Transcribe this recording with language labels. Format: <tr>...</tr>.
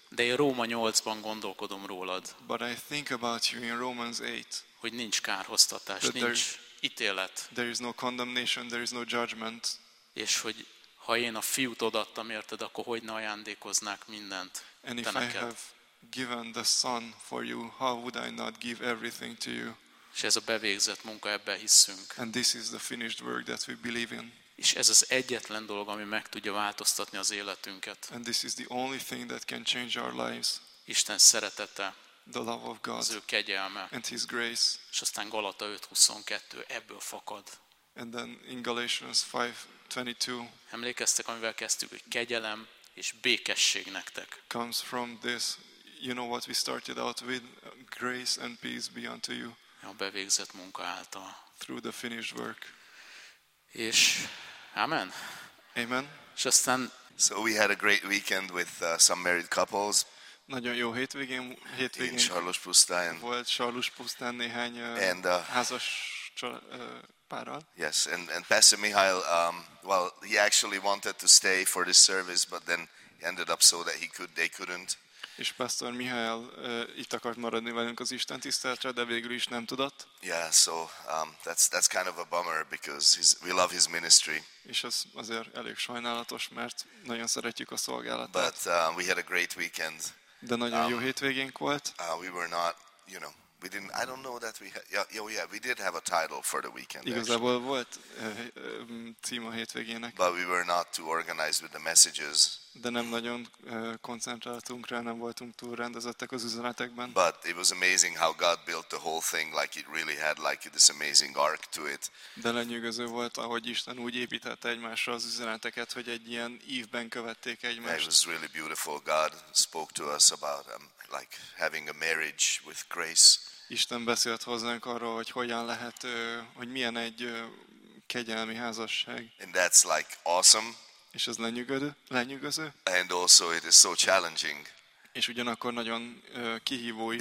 <hu>De én Róma 8-ban gondolkodom rólad.</hu> <en>But I think about you in Romans 8.</en> <hu>Hogy nincs kárhoztatás, nincs ítélet.</hu> <en>There is no condemnation, there is no judgment.</en> <hu>És hogy ha én a fiút odaadtam érted, akkor hogy ne ajándékoznák mindent te neked?</hu> <en>And if I have given the son for you, how would I not give everything to you?</en> <hu>És ez a bevégzett munka, ebben hiszünk.</hu> <en>And this is the finished work that we believe in.</en> <hu>És ez az egyetlen dolog, ami meg tudja változtatni az életünket.</hu> <en>And this is the only thing that can change our lives.</en> <hu>Isten szeretete.</hu> <en>The love of God.</en> <hu>Az ő kegyelme.</hu> <en>And his grace.</en> <hu>És aztán Galata 5:22, ebből fakad.</hu> <en>And then in Galatians 5:22.</en> <hu>Emlékeztek, amivel kezdtük, hogy kegyelem és békesség nektek.</hu> <en>Comes from this, you know what we started out with, grace and peace be unto you.</en> <hu>A bevégzett munka által.</hu> <en>Through the finished work.</en> <hu>És amen.</hu> <en>Amen.</en> <hu>És aztán,</hu> <en>so we had a great weekend with some married couples.</en> <hu>Nagyon jó hétvégén. In Sarlospusztán. Volt Sarlospusztán néhány házas párral.</hu> <en>Yes, and Pastor Mihail, well, he actually wanted to stay for this service, but then ended up so that he could, they couldn't.</en> <hu>És Pastor Mihály itt akart maradni velünk az Isten tiszteletre, de végül is nem tudott.</hu> <en>Yeah, so that's kind of a bummer because we love his ministry.</en> <hu>És ez azért elég sajnálatos, mert nagyon szeretjük a szolgálatát.</hu> <en>But we had a great weekend.</en> <hu>De nagyon jó hétvégénk volt.</hu> <en>We were not, you know, we didn't, I don't know that we had, yeah, we did have a title for the weekend.</en> <hu>Igazából volt cím a hétvégének.</hu> <en>But we were not too organized with the messages.</en> <hu>De nem nagyon koncentráltunk rá, nem voltunk túl rendezettek az üzenetekben.</hu> <en>But it was amazing how God built the whole thing, like it really had like this amazing arc to it.</en> <hu>De lenyűgöző volt, ahogy Isten úgy építette egymásra az üzeneteket, hogy egy ilyen ívben követték egymást.</hu> <en>It was really beautiful. God spoke to us about like having a marriage with grace.</en> <hu>Isten beszélt hozzánk arról, hogy hogyan lehet, hogy milyen egy kegyelmi házasság.</hu> <en>And that's like awesome.</en> <hu>És ez lenyűgöző.</hu> <en>And also it is so challenging.</en> <hu>És ugyanakkor nagyon kihívó is.</hu>